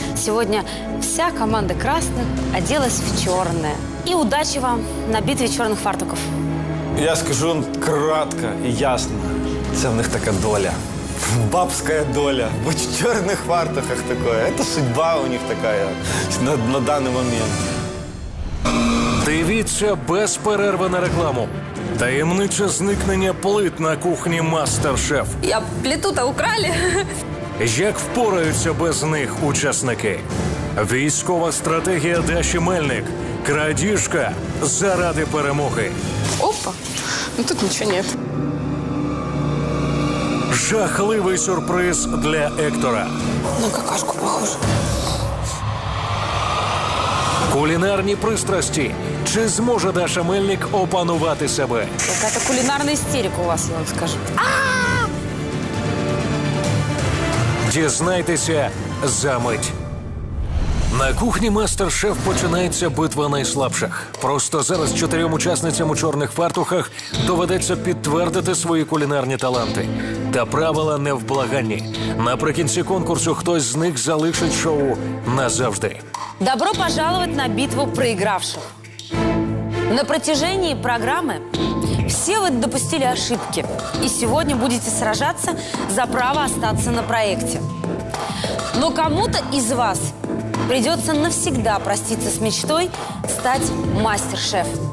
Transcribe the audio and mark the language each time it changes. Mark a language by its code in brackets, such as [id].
[ru] Сегодня вся команда красных оделась в черное. И удачи вам на битве черных фартуков. Я скажу кратко и ясно. Это у них такая доля. Бабская доля. Быть в черных фартухах такое. Это судьба у них такая на данный момент. [uk] Дивіться без перерви на рекламу. Таємниче зникнення плит на кухні «Мастер-шеф». [ru] Я плиту-то украли. [uk] Як впораються без них учасники? Військова стратегія Даші Мельник. Крадіжка заради перемоги. Опа, ну тут нічого нет. Жахливий сюрприз для Ектора. [ru] На какашку похоже. [uk] Кулінарні пристрасті. Чи зможе Даша Мельник опанувати себе? Яка-то кулінарна істерика у вас, я вам скажу. Дізнайтеся за мить. На кухні «Мастер-шеф» починається битва найслабших. Просто зараз чотирьом учасницям у чорних фартухах доведеться підтвердити свої кулінарні таланти. Та правила невблаганні. Наприкінці конкурсу хтось з них залишить шоу назавжди. [ru] Добро пожаловать на битву проигравших. На протяжении программы все вы допустили ошибки. И сегодня будете сражаться за право остаться на проекте. Но кому-то из вас придется навсегда проститься с мечтой стать мастер-шеф.